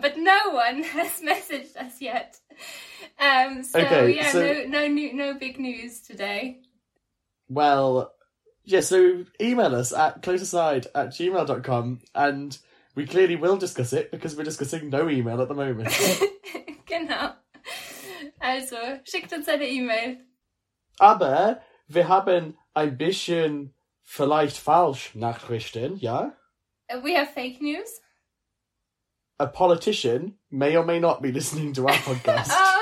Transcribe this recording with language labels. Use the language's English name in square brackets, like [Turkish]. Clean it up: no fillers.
[English] But no one has messaged us yet. No big news today. Well, yeah, so email us at CloseAside@gmail.com and we clearly will discuss it because we're discussing no email at the moment. [German] Genau. Also, schickt uns eine E-Mail. Aber wir haben ein bisschen vielleicht falsch Nachrichten, ja? [English] We have fake news. A politician may or may not be listening to our podcast.